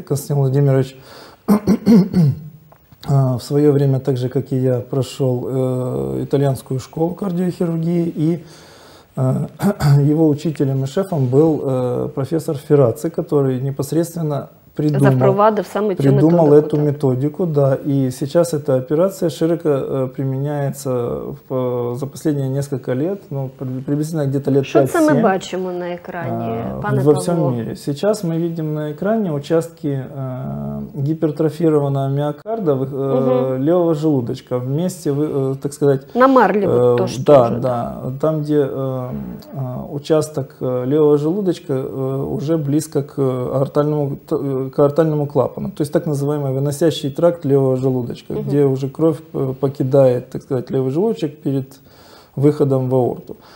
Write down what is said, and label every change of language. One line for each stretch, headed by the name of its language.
Russian: Константин Владимирович в свое время, так же как и я, прошел итальянскую школу кардиохирургии, и его учителем и шефом был профессор Ферраци, который непосредственно придумал эту методику, да, и сейчас эта операция широко применяется за последние несколько лет, ну, приблизительно где-то лет 5-7.
Ukrainian: Что це ми бачимо на екрані, пане Павло?
Russian: Во всем мире. Сейчас мы видим на экране участки гипертрофированного миокарда левого желудочка вместе, так сказать... Намарливают тоже. Да, да, там, где участок левого желудочка уже близко к аортальному клапану, то есть так называемый выносящий тракт левого желудочка, где уже кровь покидает, так сказать, левый желудочек перед выходом в аорту.